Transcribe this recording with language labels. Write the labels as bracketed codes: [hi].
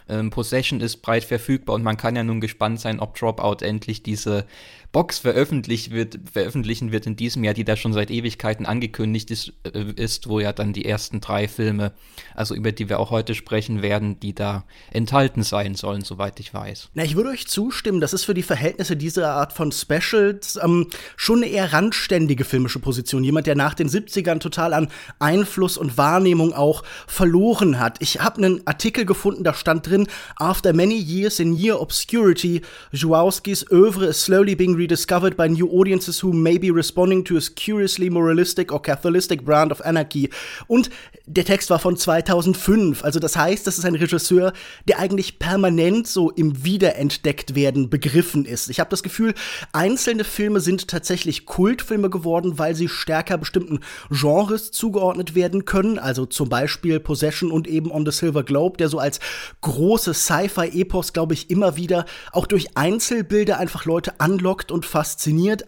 [de] Possession ist breit verfügbar und man kann ja nun gespannt sein, ob Dropout endlich diese Box veröffentlichen wird in diesem Jahr, die da schon seit Ewigkeiten angekündigt ist, wo ja dann die ersten drei Filme, also über die wir auch heute sprechen werden, die da enthalten sein sollen, soweit ich weiß. Na, ich würde euch zustimmen, das ist für die Verhältnisse dieser Art von Specials schon eine eher randständige filmische Position. Jemand, der nach den 70ern total an Einfluss und Wahrnehmung auch verloren hat. Ich habe einen Artikel gefunden, da stand drin, [en] After many years in near obscurity, Żuławski's oeuvre is slowly being rediscovered by new audiences who may be responding to his curiously moralistic or catholicistic brand of anarchy. [de] Und der Text war von 2005, also das heißt, das ist ein Regisseur, der eigentlich permanent so im Wiederentdecktwerden begriffen ist. Ich habe das Gefühl, einzelne Filme sind tatsächlich Kultfilme geworden, weil sie stärker bestimmten Genres zugeordnet werden können, also zum Beispiel Possession und eben On the Silver Globe, der so als große Sci-Fi-Epos, glaube ich, immer wieder auch durch Einzelbilder einfach Leute anlockt und fasziniert.